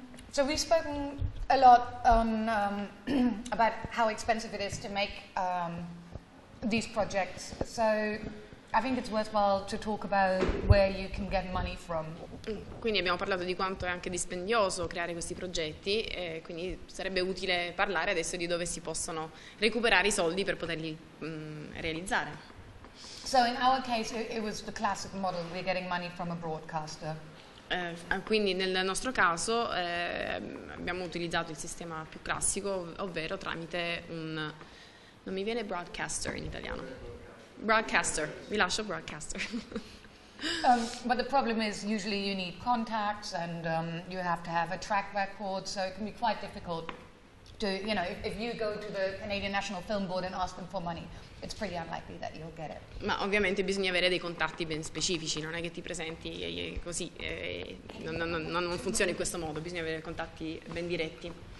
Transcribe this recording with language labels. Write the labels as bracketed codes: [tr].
[en] So we've spoken a lot on about how expensive it is to make these projects. So I think it's worthwhile to talk about where you can get money from. [it] Quindi abbiamo parlato di quanto è anche dispendioso creare questi progetti, e quindi sarebbe utile parlare adesso di dove si possono recuperare i soldi per poterli realizzare. [en] So in our case it was the classic model, we're getting money from a broadcaster. [it] Quindi nel nostro caso abbiamo utilizzato il sistema più classico, ovvero tramite un, non mi viene broadcaster in italiano, broadcaster, vi lascio broadcaster. [en] But the problem is usually you need contacts and you have to have a track record, so it can be quite difficult to, you know, if you go to the Canadian National Film Board and ask them for money, it's pretty unlikely that you'll get it. [it] Ma ovviamente bisogna avere dei contatti ben specifici, non è che ti presenti così, non funziona in questo modo, bisogna avere contatti ben diretti.